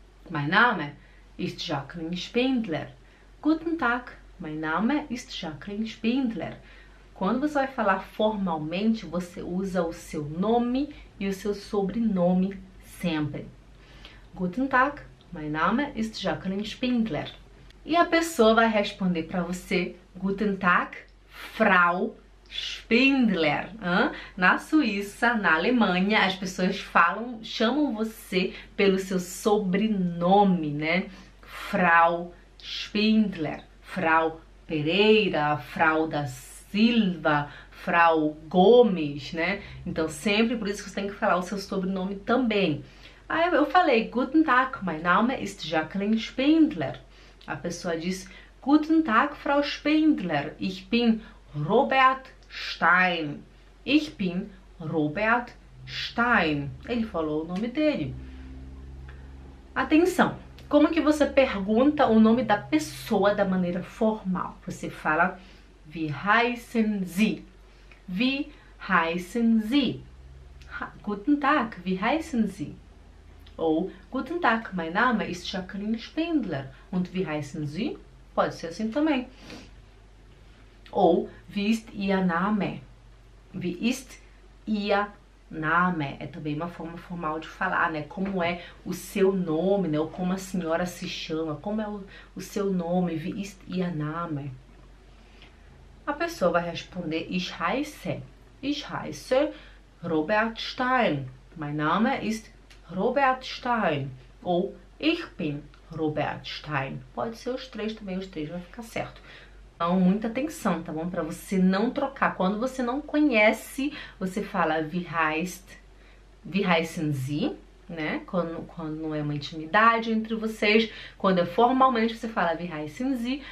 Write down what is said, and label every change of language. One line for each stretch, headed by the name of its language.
German: Mein Name ist Jacqueline Spindler. Guten Tag, mein Name ist Jacqueline Spindler.
Portuguese: Quando você vai falar formalmente, você usa o seu nome e o seu sobrenome sempre.
German: Guten Tag, mein Name ist Jacqueline Spindler.
Portuguese: E a pessoa vai responder para você:
German: Guten Tag, Frau Spindler,
Portuguese: hein? Na Suíça, na Alemanha, as pessoas falam, chamam você pelo seu sobrenome, né?
German: Frau Spindler, Frau Pereira, Frau da Silva, Frau Gomes, né?
Portuguese: Então sempre por isso que você tem que falar o seu sobrenome também. Aí eu falei,
German: Guten Tag, mein Name ist Jacqueline Spindler.
Portuguese: A pessoa diz,
German: Guten Tag, Frau Spindler, ich bin Robert Stein. Ich bin Robert Stein.
Portuguese: Ele falou o nome dele. Atenção! Como que você pergunta o nome da pessoa da maneira formal? Você fala
German: Wie heißen Sie? Wie heißen Sie? Guten Tag, wie heißen Sie? Ou Guten Tag, mein Name ist Jacqueline Spindler. Und wie heißen Sie?
Portuguese: Pode ser assim também.
German: Ou, wie ist Ihr Name? Wie ist Ihr Name?
Portuguese: É também uma forma formal de falar, né? Como é o seu nome, né? Ou como a senhora se chama? Como é o seu nome?
German: Wie ist Ihr Name?
Portuguese: A pessoa vai responder,
German: ich heiße Robert Stein. Mein Name ist Robert Stein.
Portuguese: Ou,
German: ich bin Robert Stein.
Portuguese: Pode ser os três também, os três vai ficar certo. Então, muita atenção, tá bom? Para você não trocar. Quando você não conhece, você fala
German: wie heißen Sie,
Portuguese: né? Quando não é uma intimidade entre vocês, quando é formalmente, você fala
German: wie heißen Sie.